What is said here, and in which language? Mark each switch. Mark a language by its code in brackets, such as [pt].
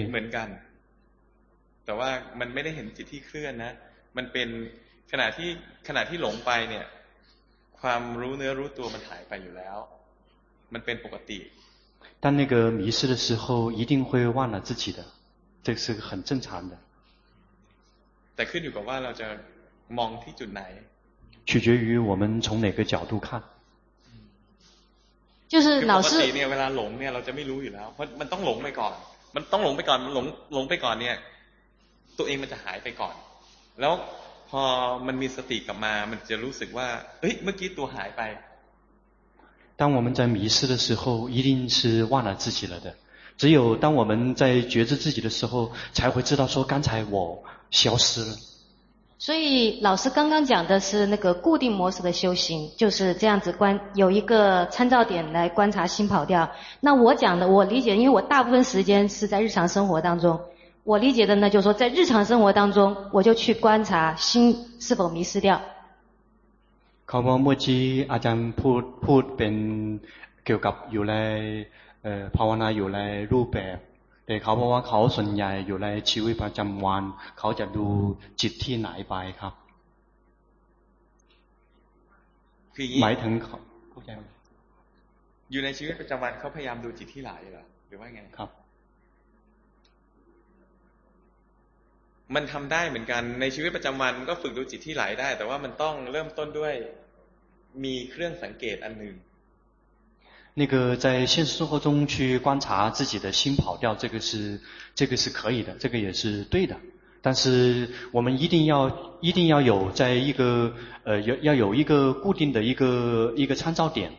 [th] เหมือนกันแต่ว่ามันไม่ได้เห็นจิตที่เคลื่อนนะมันเป็นขณะที่หลงไปเนี่ยความรู้เนื้อรู้ตัวมันหายไปอยู่แล้วมันเป็นปกติ [zh] 但那个迷失的时候一定会忘了自己的这是很正常的 [th] แต่ขึ้นอยู่กับว่าเราจะมองที่จุดไหน [zh] 取决于我们从哪个角度看就是老师 [th] ปกติเนี่ยเวลาหลงเนี่ยเราจะไม่รู้อยู่แล้วเพราะมันต้องหลงไปก่อนมันต้องหลงไปก่อนหลงไปก่อนเนี่ยตัวเองมันจะหายไปก่อนแล้วพอมันมีสติกลับมามันจะรู้สึกว่าเอ้ยเมื่อกี้ตัวหายไป [zh] 当我们在迷失的时候一定是忘了自己了的只有当我们在觉知自己的时候才会知道说刚才我消失了所以老师刚刚讲的是那个固定模式的修行就是这样子观有一个参照点来观察心跑掉那我讲的我理解因为我大部分时间是在日常生活当中我理解的呢就是说在日常生活当中我就去观察心是否迷失掉 [th] ขอบคุณเมื่อกี้อาจารย์พูดเป็นเกี่ยวกับอยู่ในภาวนาอยู่ในรูปแบบแต่เขาบอกว่าเขาส่วนใหญ่อยู่ในชีวิตประจำวันเขาจะดูจิตที่ไหนไปครับ คือ หมายถึง อยู่ในชีวิตประจำวันเขาพยายามดูจิตที่ไหนเหรอหรือว่าไง ครับ มันทำได้เหมือนกันในชีวิตประจำวันก็ฝึกดูจิตที่ไหนได้แต่ว่ามันต้องเริ่มต้นด้วยมีเครื่องสังเกตอันหนึ่ง [zh] 那个在现实生活中去观察自己的心跑掉，这个是可以的，这个也是对的。但是我们一定要有在一个要有一个固定的一个参照点。